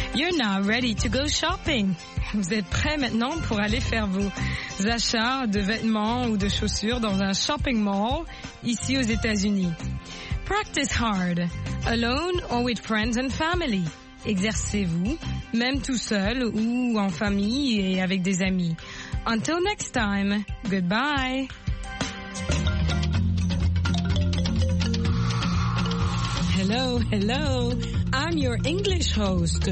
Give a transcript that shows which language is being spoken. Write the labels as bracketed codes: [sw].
[en] Now ready to go shopping. [fr] Vous êtes prêt maintenant pour aller faire vos achats de vêtements ou de chaussures dans un shopping mall ici aux États-Unis. [en] Practice hard, alone or with friends and family. [fr] Exercez-vous, même tout seul ou en famille et avec des amis. [en] Until next time, goodbye. Hello, hello. I'm your English host.